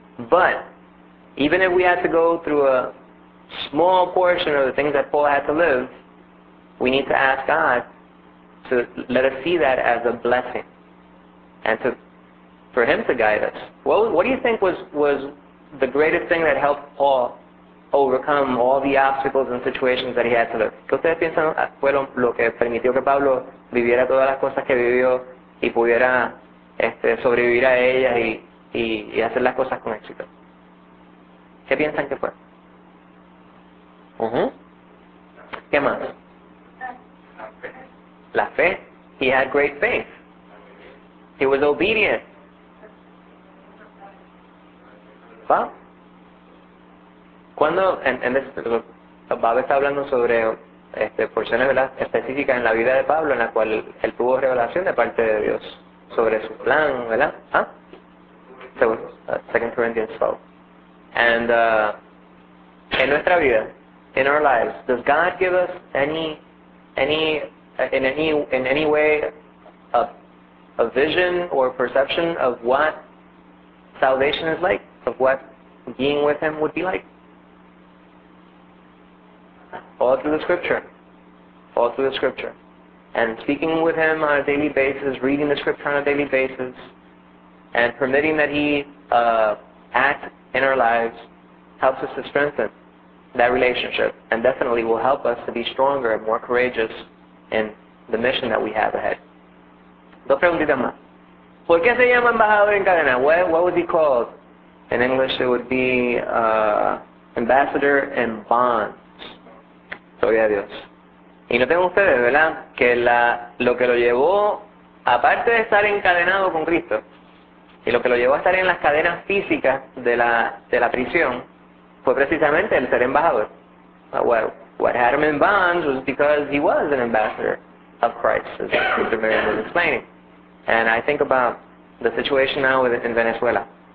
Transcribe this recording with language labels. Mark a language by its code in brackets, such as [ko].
[en] But even if we had to go through a small portion of the things that Paul had to live, we need to ask God to let us see that as a blessing and for Him to guide us. What do you think was the greatest thing that helped Paul overcome all the obstacles and situations that he had to live? [es] ¿Qué ustedes piensan fue lo que permitió que Pablo viviera todas las cosas que vivió y pudiera sobrevivir a ellas y hacer las cosas con éxito? ¿Qué piensan que fue? Uh-huh. ¿Qué más? La fe. [en] He had great faith. He was obedient. [es] ¿Va? Cuando, Bob está hablando sobre porciones específicas en la vida de Pablo en la cual él tuvo revelación de parte de Dios sobre su plan, ¿verdad? [en] ¿Ah? So, 2 Corinthians 12. And [es] en nuestra vida, [en] in our lives, does God give us any way a vision or perception of what salvation is like, of what being with Him would be like? All through the scripture. And speaking with Him on a daily basis, reading the scripture on a daily basis, and permitting that He act in our lives, helps us to strengthen that relationship and definitely will help us to be stronger and more courageous in the mission that we have ahead. [es] Dos preguntitas más. ¿Por qué se llama embajador en cadena? [en] What was he called? In English, it would be ambassador in bonds. [es] Gloria a Dios. Y noten ustedes, ¿verdad? Que lo que lo llevó, aparte de estar encadenado con Cristo, y lo que lo llevó a estar en las cadenas físicas de la prisión, fue precisamente el ser embajador. [en] What had him in bonds was because he was an ambassador of Christ, as Sister Miriam was explaining. And I think about the situation now in Venezuela.